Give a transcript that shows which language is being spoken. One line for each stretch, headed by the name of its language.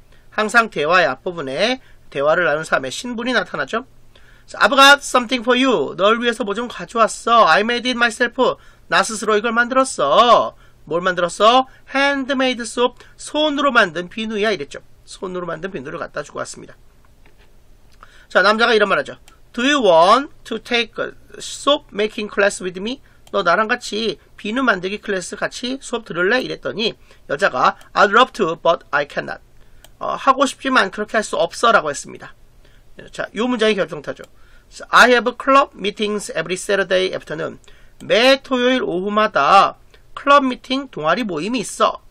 Korean: 항상 대화의 앞부분에 대화를 나눈 사람의 신분이 나타나죠.
English: So, I've got something for you.
Korean: 널 위해서 뭐 좀 가져왔어.
English: I made it myself.
Korean: 나 스스로 이걸 만들었어. 뭘 만들었어?
English: Handmade soap.
Korean: 손으로 만든 비누야 이랬죠. 손으로 만든 비누를 갖다 주고 왔습니다. 자, 남자가 이런 말 하죠.
English: Do you want to take a soap making class with me?
Korean: 너 나랑 같이 비누 만들기 클래스 같이 수업 들을래? 이랬더니 여자가
English: I'd love to but I cannot.
Korean: 하고 싶지만 그렇게 할 수 없어 라고 했습니다. 자, 요 문장이 결정타죠.
English: So, I have club meetings every Saturday afternoon.
Korean: 매 토요일 오후마다 클럽 미팅 동아리 모임이 있어.